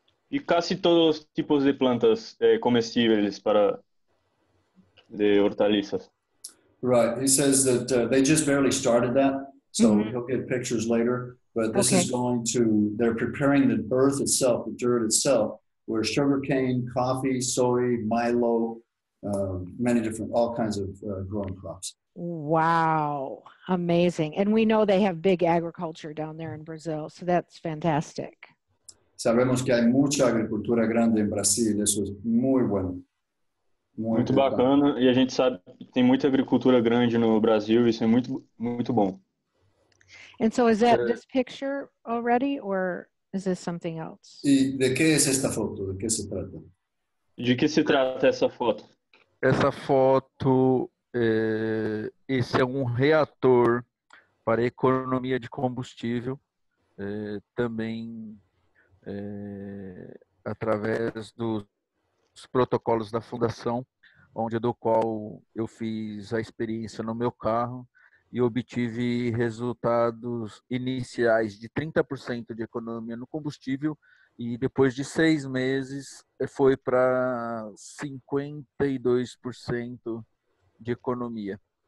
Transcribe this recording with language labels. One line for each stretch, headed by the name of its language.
Spanish: Y casi todos los tipos de plantas comestibles para de hortalizas.
English: Right, he says that they just barely started that. So he'll get pictures later, but this is going to, they're preparing the earth itself, the dirt itself, where sugarcane, coffee, soy, milo, many different, all kinds of growing crops. Wow, amazing. And we know they have big agriculture down there in Brazil, so that's fantastic.
Spanish: Sabemos que hay mucha agricultura grande en Brasil, eso es muy bueno.
Portuguese: Muito bacana, e a gente sabe que tem muita agricultura grande no Brasil, isso é muito bom.
English: And so is that this picture already, or is this something else?
Portuguese: E de que é esta foto? De que se trata? De que se trata essa foto? Essa foto, esse é um reator para economia de combustível, também através dos protocolos da fundação, onde do qual eu fiz a experiência no meu carro, e obtive resultados iniciais de 30% de economia no combustível, e depois de 6 meses foi para 52% de economia.